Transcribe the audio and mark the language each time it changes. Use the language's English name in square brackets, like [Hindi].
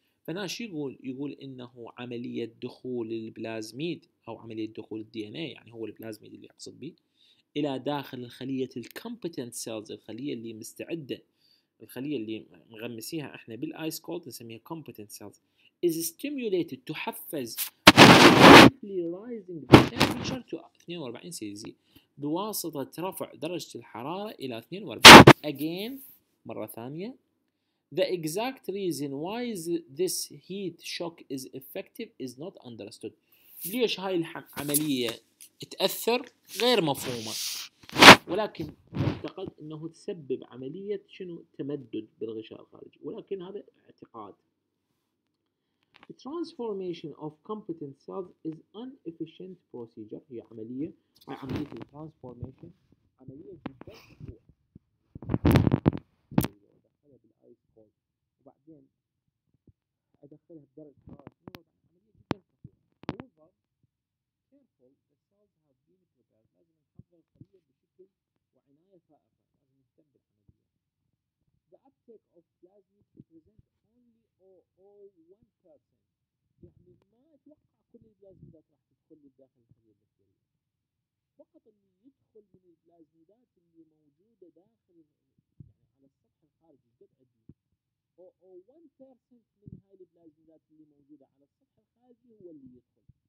[Arabic] فناش يقول، يقول انه عمليه دخول البلازميد او عمليه دخول الدي ان اي، يعني هو البلازميد اللي يقصد به، الى داخل الخليه الكومبتنت سيلز، الخليه اللي مستعده، الخليه اللي مغمسيها احنا بالايس كولد نسميها كومبتنت سيلز، [English] is stimulated [Arabic] تحفز [English] rising temperature to 42 [Arabic] سيلزي بواسطة رفع درجة الحرارة إلى 42. [English] Again [Arabic] مرة ثانية [English] the exact reason why this heat shock is effective is not understood. [Arabic] ليش هاي العملية تأثر غير مفهومة، ولكن اعتقد أنه تسبب عملية شنو تمدد بالغشاء الخارجي، ولكن هذا اعتقاد. [English] The transformation of competent cells is an efficient procedure. [Arabic] هي عملية، هي عملية transformation، عملية جدا سهلة. أدخلها بالآيس كولد وبعدين أدخلها بدرجة حرارة 42، عملية جدا سهلة. [English] However, careful, the cells have been prepared. [Arabic] لازم نحضر الخلية بشكل وعناية فائقة، لازم نهتم بالعملية. [English] The uptake of plasma represents only 0.01%. [Arabic] يعني ما يتوقع كل البلازميدات راح تدخل للداخل الخلية البكتيرية، فقط اللي يدخل من البلازميدات اللي موجودة داخل يعني على السطح الخارجي قد عدي أو 1% من هاي البلازميدات اللي موجودة على السطح الخارجي هو اللي يدخل.